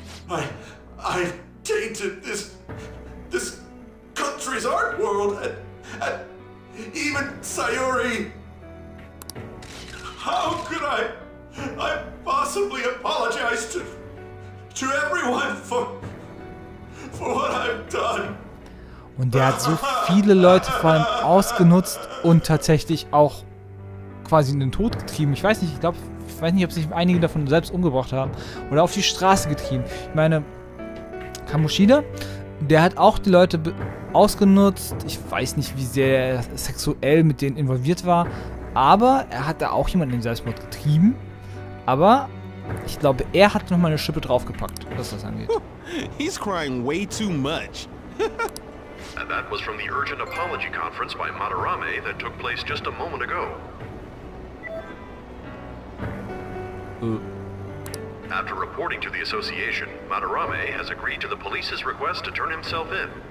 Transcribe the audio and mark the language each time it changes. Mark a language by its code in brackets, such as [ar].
[en] I tainted this country's art world and even Sayuri. How could I possibly apologize to everyone for what I've done? [de] Und der hat so viele Leute vor allem ausgenutzt und tatsächlich auch quasi in den Tod getrieben. Ich weiß nicht, ob sich einige davon selbst umgebracht haben oder auf die Straße getrieben. Ich meine, Kamoshida, der hat auch die Leute ausgenutzt. Ich weiß nicht, wie sehr er sexuell mit denen involviert war, aber er hat da auch jemanden den Selbstmord getrieben. Aber ich glaube, er hat nochmal eine Schippe draufgepackt, was das angeht. [en] He's crying way too much. And that was from the urgent apology conference by Madarame that took place just a moment ago. After reporting to the association, Madarame has agreed to the police's request to turn himself in.